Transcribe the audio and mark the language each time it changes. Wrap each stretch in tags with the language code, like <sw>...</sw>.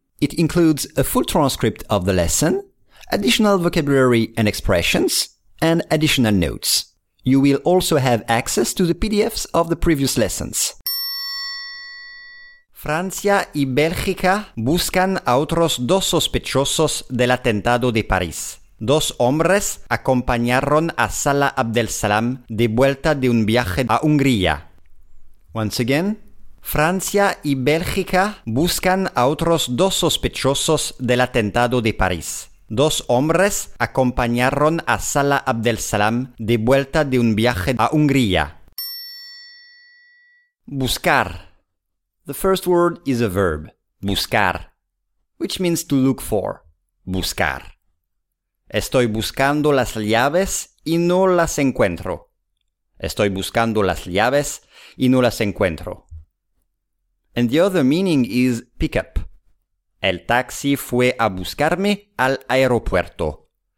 <en>It includes a full transcript of the lesson, additional vocabulary and expressions, and additional notes. You will also have access to the PDFs of the previous lessons.</en> <es>Francia y Bélgica buscan a otros dos sospechosos del atentado de París. Dos hombres acompañaron a Salah Abdeslam de vuelta de un viaje a Hungría.</es> <en>Once again.</en> <es>Francia y Bélgica buscan a otros dos sospechosos del atentado de París. Dos hombres acompañaron a Salah Abdeslam de vuelta de un viaje a Hungría. Buscar.</es> <en>The first word is a verb, buscar, which means to look for, buscar.</en> <es>Estoy buscando las llaves y no las encuentro. Estoy buscando las llaves y no las encuentro.</es> <en>And the other meaning is pick up.</en> <es>El taxi fue a buscarme al aeropuerto.</es>